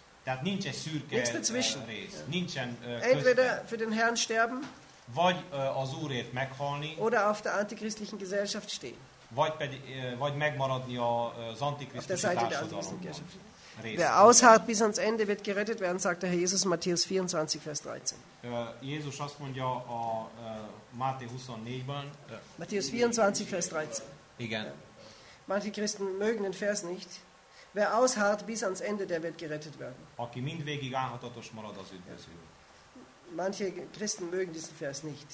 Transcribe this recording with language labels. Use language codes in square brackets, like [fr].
[hu] Tehát nincs egy szürke rész. Ja. Nincsen [de] entweder [hu] közben. [de] Für den Herrn sterben. [hu] Vagy az Úrért meghalni. [de] Oder auf der antichristlichen Gesellschaft stehen. [hu] Vagy megmaradni az antichristlichen Társadalomban. [de] Wer ausharrt bis ans Ende wird gerettet werden, sagt der Herr Jesus Matthäus 24, Vers 13. [hu] Jézus azt mondja a Máté 24-ben. [de] Matthäus 24, Vers 13. [hu] Igen. [de] Manche Christen mögen den Vers nicht. Wer ausharrt bis ans Ende, der wird gerettet werden. [hu] Aki mindvégig állhatatos marad, az üdvözül. [de] Manche Christen mögen diesen Vers nicht.